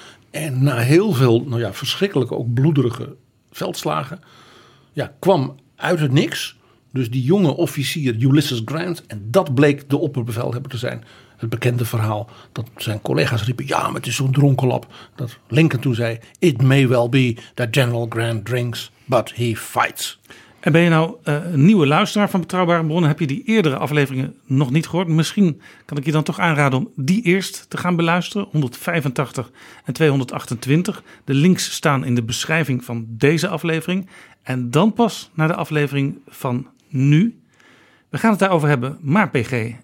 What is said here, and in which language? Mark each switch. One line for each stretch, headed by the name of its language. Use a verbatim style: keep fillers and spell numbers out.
Dutch: En na heel veel, nou ja, verschrikkelijke, ook bloederige veldslagen, ja, kwam uit het niks dus die jonge officier Ulysses Grant. En dat bleek de opperbevelhebber te zijn. Het bekende verhaal dat zijn collega's riepen, ja, maar het is zo'n dronkenlap. Dat Lincoln toen zei,
English: it may well be that General Grant drinks, but he fights.
Dutch: En ben je nou uh, een nieuwe luisteraar van Betrouwbare Bronnen? Heb je die eerdere afleveringen nog niet gehoord? Misschien kan ik je dan toch aanraden om die eerst te gaan beluisteren. honderdvijfentachtig en tweehonderdachtentwintig. De links staan in de beschrijving van deze aflevering. En dan pas naar de aflevering van nu. We gaan het daarover hebben, maar P G.